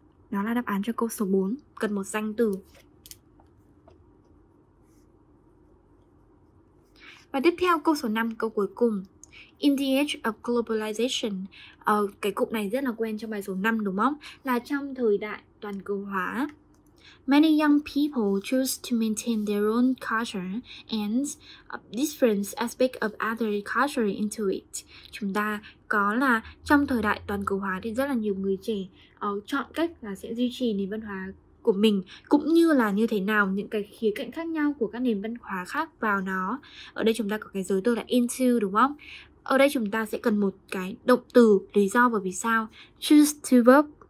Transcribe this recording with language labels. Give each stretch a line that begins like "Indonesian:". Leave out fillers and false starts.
Vietnamese: Đó là đáp án cho câu số 4, cần một danh từ. Và tiếp theo câu số 5, câu cuối cùng.
English: In the age of globalization,
Vietnamese: cái cụm này rất là quen trong bài số 5 đúng không? Là trong thời đại toàn cầu hóa.
English: Many young people choose to maintain their own culture and different aspect of other culture into it.
Vietnamese: Chúng ta có là trong thời đại toàn cầu hóa thì rất là nhiều người trẻ chọn cách là sẽ duy trì nền văn hóa của mình, cũng như là như thế nào những cái khía cạnh khác nhau của các nền văn hóa khác vào nó. Ở đây chúng ta có cái giới từ là into đúng không? Ở đây chúng ta sẽ cần một cái động từ lý do và vì sao. Choose to verb.